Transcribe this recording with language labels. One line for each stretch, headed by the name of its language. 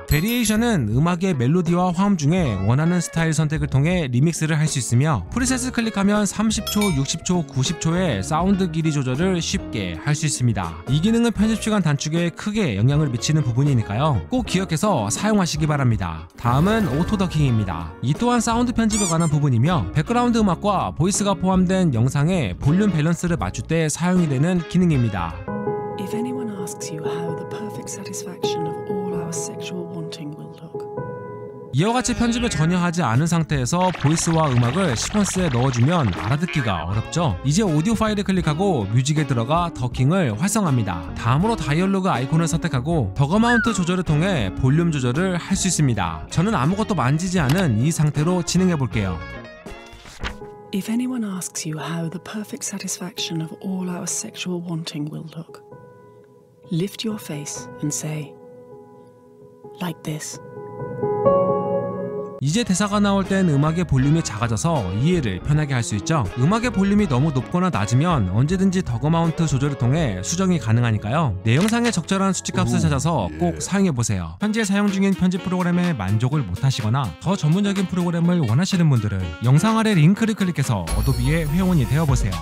Korean: 베리에이션은 음악의 멜로디와 화음 중에 원하는 스타일 선택을 통해 리믹스를 할 수 있으며, 프리셋을 클릭하면 30초, 60초, 90초의 사운드 길이 조절을 쉽게 할 수 있습니다. 이 기능은 편집 시간 단축에 크게 영향을 미치는 부분이니까요. 꼭 기억해서 사용하시기 바랍니다. 다음은 오토더킹입니다. 이 또한 사운드 편집에 관한 부분이며, 백그라운드 음악과 보이스가 포함된 영상의 볼륨 밸런스를 맞출 때 사용이 되는 기능입니다.
English: If anyone asks you how the perfect satisfaction of all our sexual wanting will look.
Korean: 이와 같이 편집을 전혀 하지 않은 상태에서 보이스와 음악을 시퀀스에 넣어주면 알아듣기가 어렵죠. 이제 오디오 파일을 클릭하고 뮤직에 들어가 더킹을 활성화합니다. 다음으로 다이얼로그 아이콘을 선택하고 더그 마운트 조절을 통해 볼륨 조절을 할 수 있습니다. 저는 아무것도 만지지 않은 이 상태로 진행해 볼게요.
English: If anyone asks you how the perfect satisfaction of all our sexual wanting will look, lift your face and say, like this.
Korean: 이제 대사가 나올 땐 음악의 볼륨이 작아져서 이해를 편하게 할 수 있죠. 음악의 볼륨이 너무 높거나 낮으면 언제든지 더그 마운트 조절을 통해 수정이 가능하니까요. 내 영상에 적절한 수치값을 찾아서 꼭 사용해보세요. 현재 사용 중인 편집 프로그램에 만족을 못하시거나 더 전문적인 프로그램을 원하시는 분들은 영상 아래 링크를 클릭해서 어도비의 회원이 되어보세요.